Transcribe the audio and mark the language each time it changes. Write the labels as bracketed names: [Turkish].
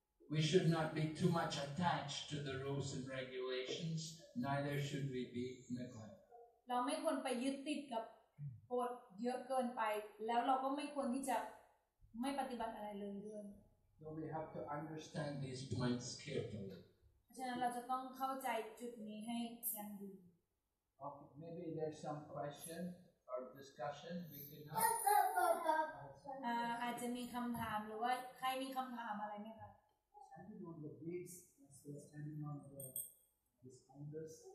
[English] We should not be too much attached to the rules and regulations. Neither should we be neglectful. [Thai] เราไม่ควรไปยึดติดกับกฎเยอะเกินไปแล้วเราก็ไม่ควรที่จะไม่ปฏิบัติอะไรเลยด้วย [English] So we have to understand these points carefully. [Thai] เพราะฉะนั้นเราจะต้องเข้าใจจุดนี้ให้ชัดดี [English] Maybe there's some question. Our discussion, we can have. [Thai] อาจจะมีคำถามหรือว่าใครมีคำถามอะไรไหมคะ [English] Standing on the beads, as we're standing on the disclaimers,